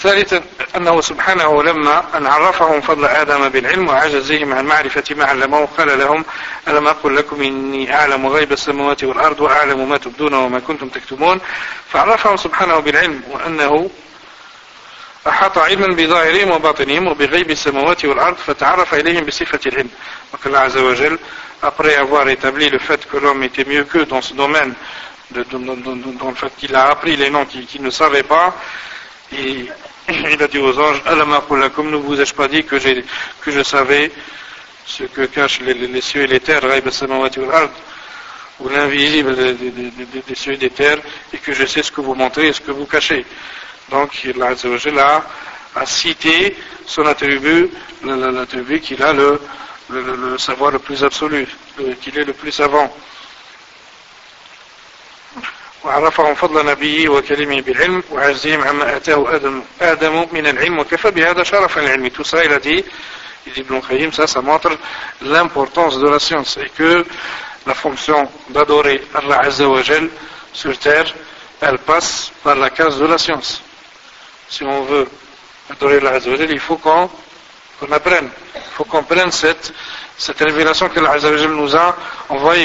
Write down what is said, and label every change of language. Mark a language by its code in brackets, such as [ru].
[ar] ثالثا أنه سبحانه لما أن عرفهم فضل آدم بالعلم وعجزهم عن معرفة ما علموا قال لهم ألم أقل لكم إني أعلم غيب السماوات والأرض وأعلم ما تبدون وما كنتم تكتمون. فعرفهم سبحانه بالعلم وأنه أحاط علما بظاهرهم وباطنهم وبغيب السماوات والأرض فتعرف إليهم بصفة العلم. وقال عز وجل [fr] après avoir établi le fait que l'homme était mieux que dans ce domaine dans le fait qu'il a appris les noms qu'il ne savait pas, il a dit aux anges [ar] Alam aqulakum, [fr] ne vous ai-je pas dit que je savais ce que cachent les cieux et les terres, [ar] raib as-samawati wal ard, [fr] ou l'invisible des cieux et des terres, et que je sais ce que vous montrez et ce que vous cachez. Donc Allah Azza wa Jalla a cité son attribut, l'attribut qu'il a le savoir le plus absolu, qu'il est le plus savant. [ar] وعرفهم فضل نبيه وكلمه بالعلم وعزهم عما أتاه آدم من العلم وكفى بهذا شرف العلم. [fr] Tout ça, il a dit, Ibn Khayyim, ça montre l'importance de la science et que la fonction d'adorer Allah Azza wa Jal sur terre, elle passe par la case de la science. Si on veut adorer Allah Azza wa Jal, il faut qu'on apprenne. Il faut qu'on prenne cette révélation que l'Azza wa Jal nous a envoyée.